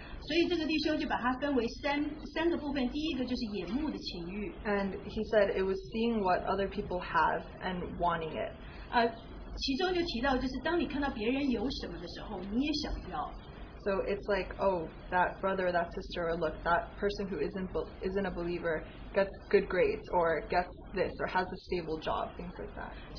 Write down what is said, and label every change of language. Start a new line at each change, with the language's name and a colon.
Chinese: 所以这个弟兄就把它分为三个部分，第一个就是眼目的情欲。And
English: he said it was seeing what other people have and wanting it.
Chinese: 其中就提到，就是当你看到别人有什么的时候，你也想要。
English: So it's like, oh, that brother or that sister, or look, that person who isn't a believer gets good grades or gets this or has a stable job, things like that.